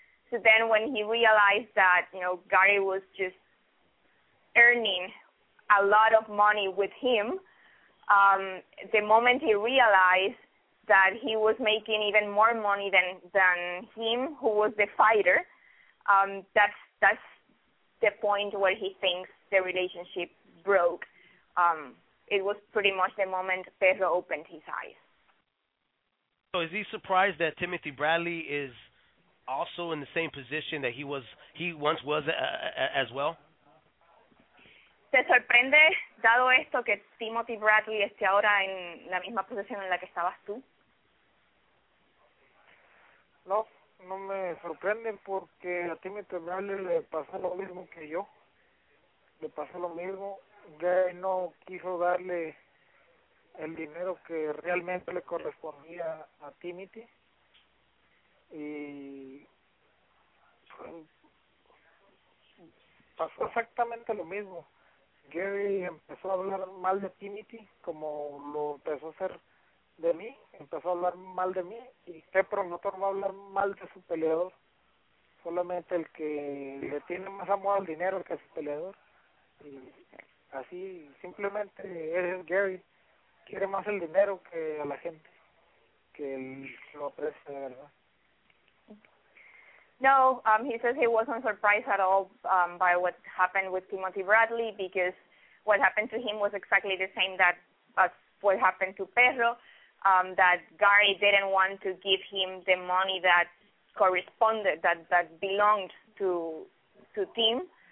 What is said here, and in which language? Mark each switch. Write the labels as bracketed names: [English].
[English] So then when he realized that, you know, Gary was just earning a lot of money with him, the moment he realized that he was making even more money than him, who was the fighter, that's the point where he thinks the relationship broke. It was pretty much the moment Pedro opened his eyes. So is he surprised that Timothy Bradley is also in the same position that he once was as well? [Spanish] ¿Te sorprende, dado esto, que Timothy Bradley esté ahora en la misma posición en la que estabas tú? No me sorprende porque a Timothy Bradley le pasó lo mismo que yo. Le pasó lo mismo. Gary no quiso darle el dinero que realmente le correspondía a Timothy. Y pasó exactamente lo mismo. Gary empezó a hablar mal de Timothy, como lo empezó a hacer de mí. Empezó a hablar mal de mí. Y qué promotor va a hablar mal de su peleador. Solamente el que le tiene más amor al dinero que a su peleador. Y así, simplemente es Gary. Quiere más el dinero que a la gente, que lo aprecia, de verdad. [English] No, he says he wasn't surprised at all by what happened with Timothy Bradley, because what happened to him was exactly the same that as what happened to Pedro, that Gary didn't want to give him the money that corresponded, that belonged to Tim.